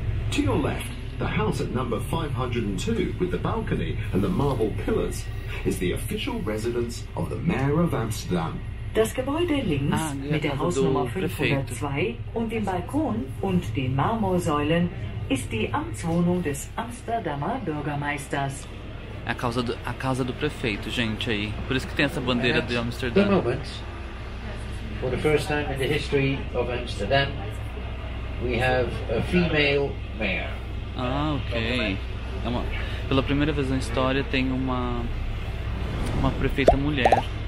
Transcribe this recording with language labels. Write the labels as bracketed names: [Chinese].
[English] To your left, the house at number 502 with the balcony and the marble pillars is the official residence of the mayor of Amsterdam. [German] Das Gebäude links mit der Hausnummer 502 und dem Balkon und den Marmorsäulen ist die Amtswohnung des Amsterdamer Bürgermeisters. [Portuguese] É a casa do prefeito, gente, aí. Por isso que tem essa bandeira de Amsterdã. [English] The moment, for the first time in the history of Amsterdam, we have a female mayor. Ah, ok. [Portuguese] É uma, pela primeira vez na história tem uma prefeita mulher.